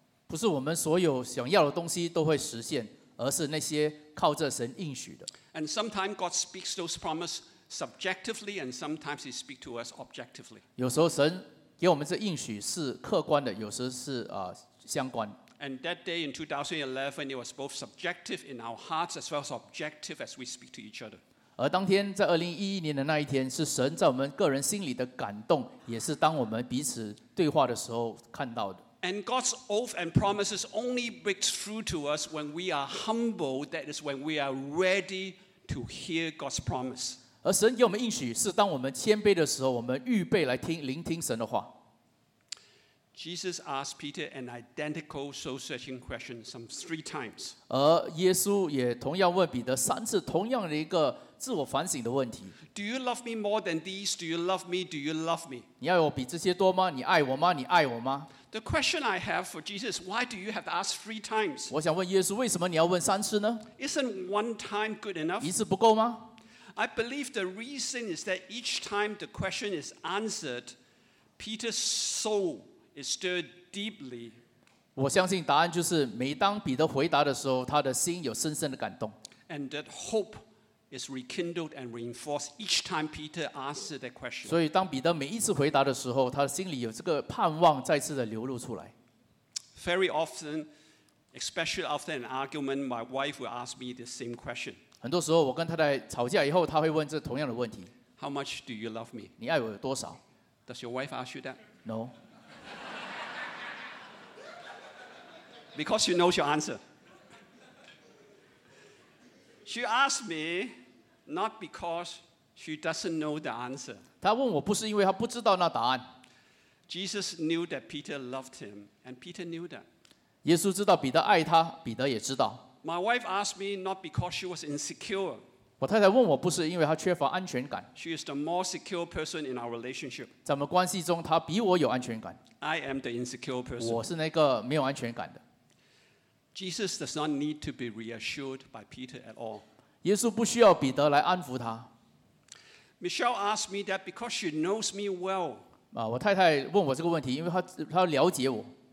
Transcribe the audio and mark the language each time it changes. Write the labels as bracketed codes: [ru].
[zh] 不是我们所有想要的东西都会实现。而是那些靠着神应许的。 [en] And sometimes God speaks those promises subjectively, and sometimes He speaks to us objectively. [zh] 有时候神给我们这应许是客观的，有时候是相关。 [en] And that day in 2011, it was both subjective in our hearts as well as objective as we speak to each other. [zh] 而当天在2011年的那一天，是神在我们个人心里的感动，也是当我们彼此对话的时候看到的。 [en] And God's oath and promises only breaks through to us when we are humble. That is when we are ready to hear God's promise. [zh] 而神给我们应许是当我们谦卑的时候，我们预备来听聆听神的话。 [en] Jesus asked Peter an identical soul-searching question some 3 times. [zh] 而耶稣也同样问彼得三次同样的一个自我反省的问题。 [en] Do you love me more than these? Do you love me? Do you love me? [zh] 你爱我比这些多吗？你爱我吗？你爱我吗？ [en] The question I have for Jesus, why do you have to ask three times? [zh] 我想问耶稣，为什么你要问三次呢？ [en] Isn't one time good enough? [zh] 一次不够吗？ [en] I believe the reason is that each time the question is answered, Peter's soul is stirred deeply. [zh] 我相信答案就是每当彼得回答的时候他的心有深深的感动 [en] and that hope is rekindled and reinforced each time Peter asks that question [zh] 所以当彼得每一次回答的时候他的心里有这个盼望再次的流露出来 [en] very often especially after an argument my wife will ask me the same question [zh] 很多时候我跟太太吵架以后他会问这同样的问题 [en] how much do you love me [zh] 你爱我有多少 [en] does your wife ask you that no Because she knows your answer. She asked me not because she doesn't know the answer. [zh] 她问我不是因为她不知道那答案。 [en] Jesus knew that Peter loved him, and Peter knew that. [zh] 耶稣知道彼得爱他，彼得也知道。 [en] My wife asked me not because she was insecure. [zh] 我太太问我不是因为她缺乏安全感。 [en] She is the more secure person in our relationship. [zh] 在我们关系中，她比我有安全感。 [en] I am the insecure person. [zh] 我是那个没有安全感的。 [en] Jesus does not need to be reassured by Peter at all. [zh] 耶稣不需要彼得来安抚他。 [en] Michelle asked me that because she knows me well. [zh] 我太太问我这个问题，因为她了解我。